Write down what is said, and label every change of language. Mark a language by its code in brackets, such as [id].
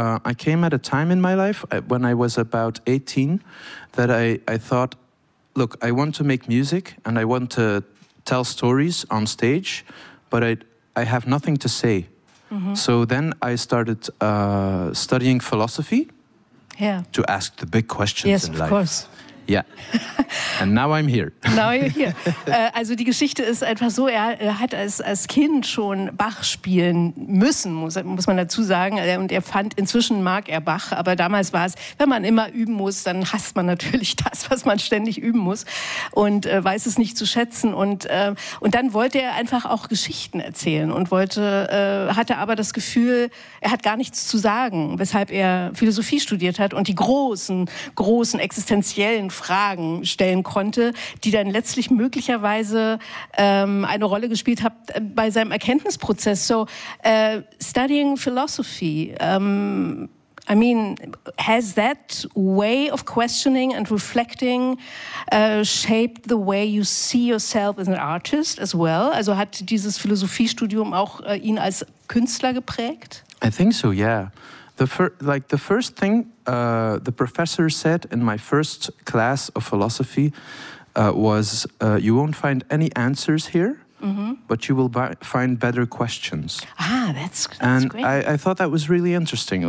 [en] I came at a time in my life when I was about 18 that I thought, look, I want to make music and I want to tell stories on stage, but I have nothing to say. So then I started studying philosophy to ask the big questions in life. Yes, of course. Yeah. And now I'm here. Now you're here. [de] Also die Geschichte ist einfach so, er hat als Kind schon Bach spielen müssen, muss man dazu sagen. Und er fand, inzwischen mag er Bach, aber damals war es, wenn man immer üben muss, dann hasst man natürlich das, was man ständig üben muss und weiß es nicht zu schätzen. Und dann wollte er einfach auch Geschichten erzählen und hatte aber das Gefühl, er hat gar nichts zu sagen, weshalb er Philosophie studiert hat und die großen, großen existenziellen Fragen stellen konnte, die dann letztlich möglicherweise eine Rolle gespielt hat bei seinem Erkenntnisprozess. [en] So, studying philosophy, I mean, has that way of questioning and reflecting shaped the way you see yourself as an artist as well? [de] Also hat dieses Philosophiestudium auch ihn als Künstler geprägt? [en] I think so, yeah. The first thing the professor said in my first class of philosophy was, you won't find any answers here, but you will find better questions. Ah, that's and great. And I thought that was really interesting.